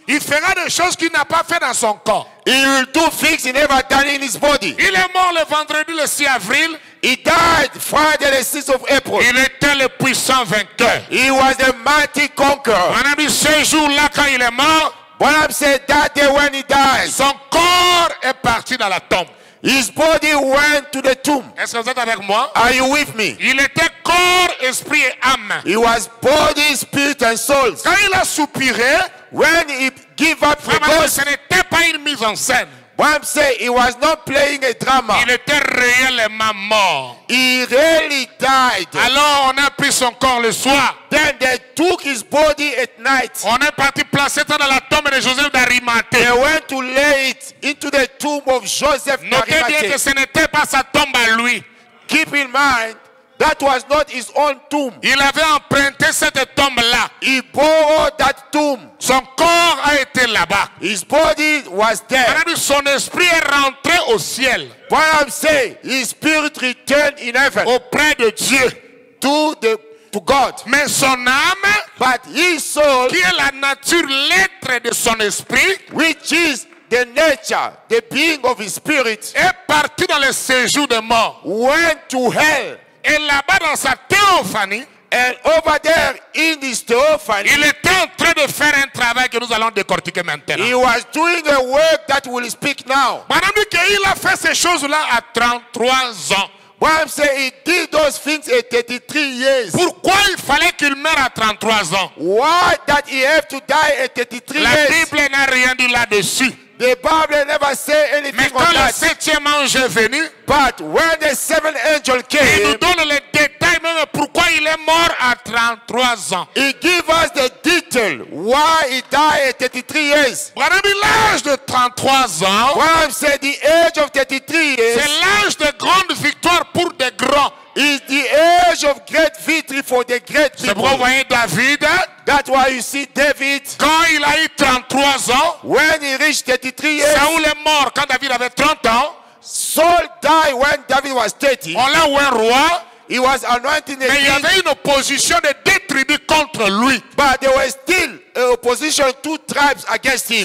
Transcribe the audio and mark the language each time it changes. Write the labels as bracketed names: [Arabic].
[French] Il fera des choses qu'il n'a pas fait dans son corps. [English] He will do things he never done in his body. [French] Il est mort le vendredi le 6 avril. [English] He died Friday the 6th of April. [French] Il était le puissant vainqueur. [English] He was a mighty conqueror. [French] Mon ami, ce jour-là quand il est mort, [English] what I'm saying, that day when he died, [French] son corps est parti dans la tombe. [English] His body went to the tomb. [French] Est-ce que vous êtes avec moi? [English] Are you with me? [French] Il était corps, esprit et âme. [English] He was body, spirit and soul. [French] Quand il a soupiré, [English] when he gave up the ghost, [French] ce n'était pas une mise en scène. [English] Bob said he was not playing a drama. [French] Il était réellement mort. [English] He really died. [French] Alors on a pris son corps le soir. [English] Then they took his body at night. [French] On est parti placer ça dans la tombe de Joseph d'Arimathée. [English] They went to lay it into the tomb of Joseph d'Arimathée. [French] Notez bien que ce n'était pas sa tombe à lui. [English] Keep in mind, that was not his own tomb. [French] Il avait emprunté cette tombe-là. [English] He borrowed that tomb. [French] Son corps a été là-bas. [English] His body was there. [French] Alors, son esprit est rentré au ciel. [English] What I'm saying, his spirit returned in heaven. [French] Auprès de Dieu. [English] To God. [French] Mais son âme, [English] but his soul, [French] qui est la nature, l'être de son esprit, [English] which is the nature, the being of his spirit, [French] est parti dans le séjour de mort. [English] Went to hell. [French] Et là-bas dans sa théophanie, [English] and over there in his theophany, [French] il était en train de faire un travail que nous allons décortiquer maintenant. [English] He was doing a work that will speak now. [French] Madame dit qu'il a fait ces choses-là à 33 ans. [English] Why I'm saying he did those things at 33 years. [French] Pourquoi il fallait qu'il meure à 33 ans? [English] Why that he have to die at 33 years? [French] La Bible n'a rien dit là-dessus. [English] The Bible never say anything. [French] Mais quand le septième ange est venu, [English] but when the seventh angel came, [French] il nous donne les détails même pourquoi il est mort à 33 ans. [English] He give us the detail why he died at 33 years. [French] Madame, l'âge de 33 ans, [English] when I say the age of 33 years, [French] c'est l'âge de grande victoire pour des grands. [English] Is the age of great victory for the great people. [French] C'est pourquoi vous voyez David. [English] That's why you see David. [French] Quand il a eu 33 ans. [English] When he reached 33 years. [French] Saul est mort quand David avait 30 ans. [English] Saul died when David was 30. [French] On l'a oué roi. [English] He was anointed. [French] Mais il y avait une opposition de deux tribus contre lui. [English] But there was still an opposition of two tribes against him.